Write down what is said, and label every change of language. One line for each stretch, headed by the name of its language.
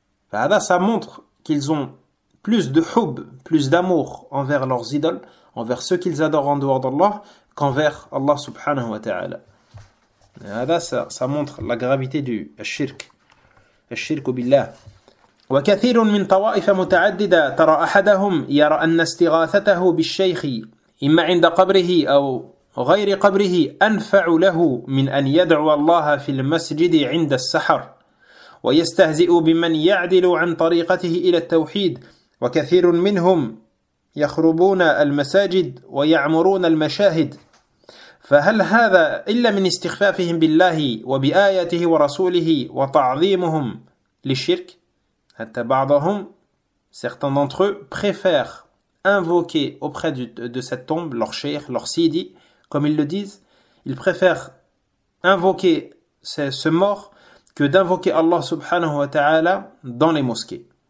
French: Fahada, ça montre qu'ils ont plus de hub, plus d'amour envers leurs idoles, envers ceux qu'ils adorent en dehors d'Allah, qu'envers Allah subhanahu wa ta'ala. Fahada, ça montre la gravité du shirk, shirk billah.
Arabic: وكثير من طوائف متعددة ترى أحدهم يرى أن استغاثته بالشيخ إما عند قبره أو غير قبره أنفع له من أن يدعو الله في المسجد عند السحر ويستهزئ بمن يعدل عن طريقته إلى التوحيد. وكثير منهم يخربون المساجد ويعمرون المشاهد. فهل هذا إلا من استخفافهم بالله وبآياته ورسوله وتعظيمهم للشرك؟ حتى بعضهم
French: certains d'entre eux préfèrent invoquer auprès de cette tombe leur cheikh, leur sidi. Comme ils le disent, ils préfèrent invoquer ce mort que d'invoquer Allah subhanahu wa ta'ala dans les mosquées.